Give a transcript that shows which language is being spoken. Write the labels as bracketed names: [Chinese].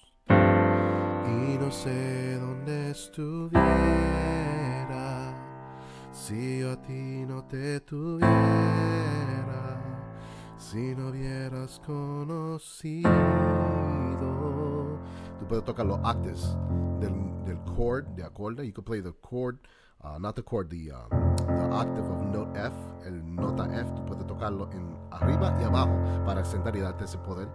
[Spanish] Y no sé dónde estuviera si yo a ti no te tuviera, si no hubieras conocido. Tú puedes tocar los octaves del chord, de acorde. [English] You could play the chord, not the chord, the octave of note F, [Spanish] el nota F. Tú puedes tocarlo en arriba y abajo para sentar y darte ese poder.